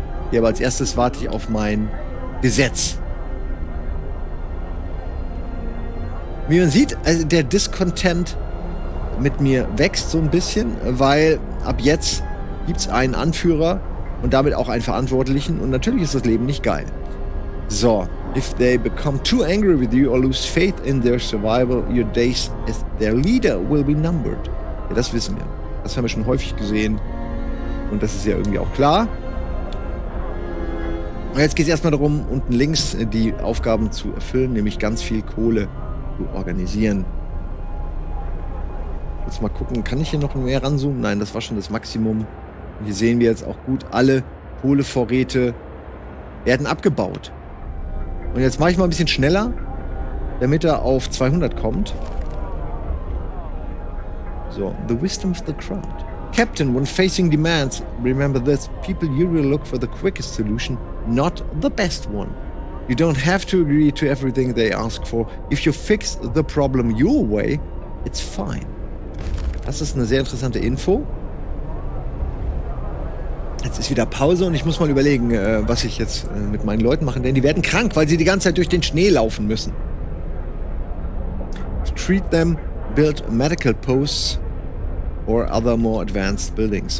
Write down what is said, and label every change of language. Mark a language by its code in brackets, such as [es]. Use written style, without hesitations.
[de] Ja, aber als erstes warte ich auf mein Gesetz. Wie man sieht, also der Discontent mit mir wächst so ein bisschen, weil ab jetzt gibt es einen Anführer und damit auch einen Verantwortlichen. Und natürlich ist das Leben nicht geil. [en] So, if they become too angry with you or lose faith in their survival, your days as their leader will be numbered. [de] Ja, das wissen wir. Das haben wir schon häufig gesehen. Und das ist ja irgendwie auch klar. Und jetzt geht es erstmal darum, unten links die Aufgaben zu erfüllen, nämlich ganz viel Kohle zu organisieren. Jetzt mal gucken, kann ich hier noch mehr ranzoomen? Nein, das war schon das Maximum. Und hier sehen wir jetzt auch gut, alle Kohlevorräte werden abgebaut. Und jetzt mache ich mal ein bisschen schneller, damit er auf 200 kommt. [en] So, the wisdom of the crowd. Captain, when facing demands, remember this. People usually look for the quickest solution, not the best one. You don't have to agree to everything they ask for. If you fix the problem your way, it's fine. [de] Das ist eine sehr interessante Info. Jetzt ist wieder Pause und ich muss mal überlegen, was ich jetzt mit meinen Leuten mache. Denn die werden krank, weil sie die ganze Zeit durch den Schnee laufen müssen. [en] Treat them, build medical posts or other more advanced buildings.